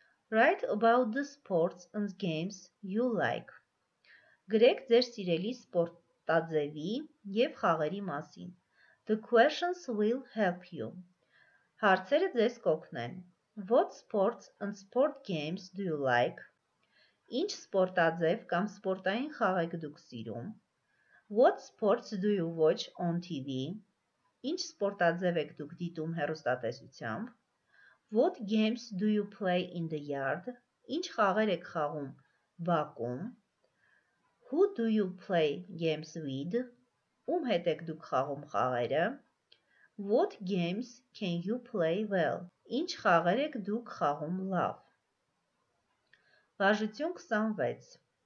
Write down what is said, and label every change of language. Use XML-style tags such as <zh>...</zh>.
<en>Write about the sports and games you like.</en> <hy>Գրեք ձեր սիրելի սպորտաձևի և խաղերի մասին.</hy> <en>The questions will help you.</en> <hy>Հարցերը ձեզ կօգնեն.</hy> <en>What sports and sport games do you like?</en> <hy>Ինչ սպորտաձև կամ սպորտային խաղեք դուք սիրում?</hy> <en>What sports do you watch on TV?</en> <hy>Ինչ սպորտաձև եք դուք դիտում հեռուստատեսությամբ?</hy> <en>What games do you play in the yard?</en> <hy>Ինչ խաղեր եք խաղում բակում?</hy> <en>Who do you play games with?</en> <hy>Ում հետ եք դուք խաղում խաղերը?</hy> <en>What games can you play well?</en> <hy>Ինչ խաղեր եք դուք խաղում լավ? Բաժություն 26.</hy>